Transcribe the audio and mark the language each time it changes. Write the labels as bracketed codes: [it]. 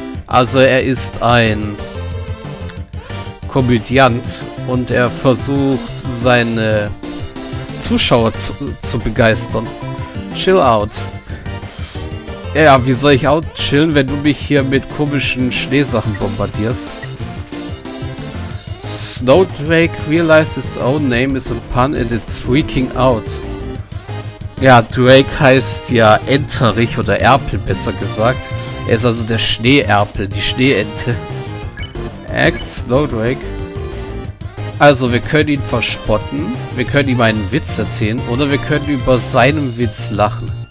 [de] Also er ist ein Komödiant und er versucht seine Zuschauer zu begeistern. [en] Chill out. [de] Ja, wie soll ich out chillen, wenn du mich hier mit komischen Schneesachen bombardierst? [en] Snowdrake realizes his own name is a pun and it's freaking out. [de] Ja, Drake heißt ja Enterich oder Erpel, besser gesagt. Er ist also der Schneeerpel, die Schneeente. Act Snowdrake. Also, wir können ihn verspotten, wir können ihm einen Witz erzählen oder wir können über seinen Witz lachen.